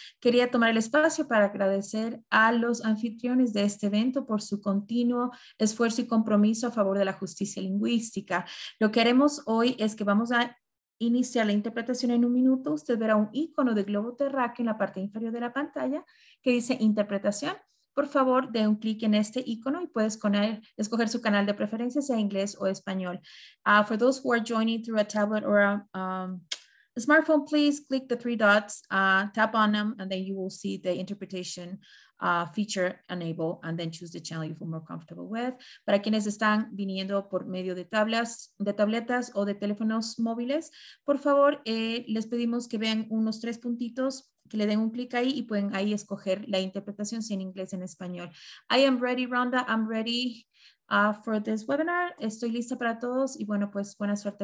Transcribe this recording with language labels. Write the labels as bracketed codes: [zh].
[es] Quería tomar el espacio para agradecer a los anfitriones de este evento por su continuo esfuerzo y compromiso a favor de la justicia lingüística. Lo que haremos hoy es que vamos a iniciar la interpretación en un minuto. Usted verá un icono de globo terráqueo en la parte inferior de la pantalla que dice interpretación. Por favor, dé un clic en este icono y puedes escoger su canal de preferencia, sea inglés o español. [en] For those who are joining through a tablet or a smartphone, please click the three dots, tap on them, and then you will see the interpretation feature enable, and then choose the channel you feel more comfortable with. [es] Para quienes están viniendo por medio de tabletas o de teléfonos móviles, por favor, les pedimos que vean unos tres puntitos, que le den un clic ahí y pueden ahí escoger la interpretación si en inglés en español. [en] I am ready, Rhonda. I'm ready for this webinar. [es] Estoy lista para todos y bueno, pues buena suerte.